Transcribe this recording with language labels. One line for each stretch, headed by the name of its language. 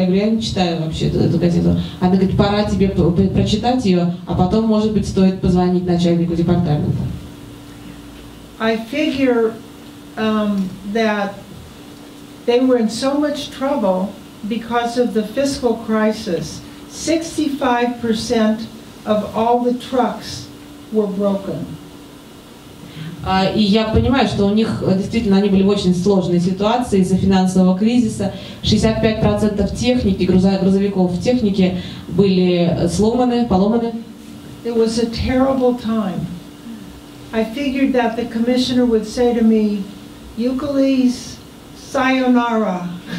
Russian: Я говорю, я не читаю вообще эту газету. Она говорит, пора тебе прочитать ее, а потом, может быть, стоит позвонить начальнику департамента.
English: I figure that they were in so much trouble because of the fiscal crisis. 65% of all the trucks were broken.
Russian: И я понимаю, что у них действительно они были в очень сложной ситуации из-за финансового кризиса. 65% техники, грузовиков в технике были сломаны, поломаны.
English: It was a terrible time. I figured that the commissioner would say to me, Ukeles, sayonara.